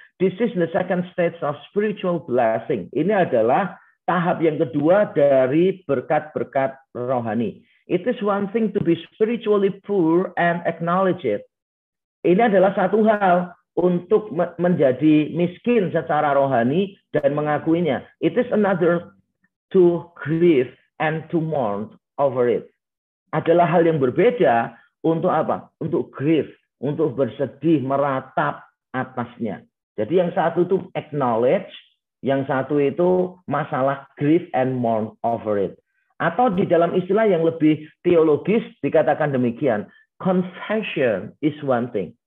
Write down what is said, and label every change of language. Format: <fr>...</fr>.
<en>This is the second stage of spiritual blessing.</en> <id>Ini adalah tahap yang kedua dari berkat-berkat rohani.</id> <en>It is one thing to be spiritually poor and acknowledge it.</en> <id>Ini adalah satu hal untuk menjadi miskin secara rohani dan mengakuinya.</id> <en>It is another to grieve and to mourn over it.</en> <id>Adalah hal yang berbeda untuk apa? Untuk grieve, untuk bersedih, meratap atasnya. Jadi yang satu itu acknowledge, yang satu itu masalah grieve and mourn over it. Atau di dalam istilah yang lebih teologis dikatakan demikian, confession is one thing.</id>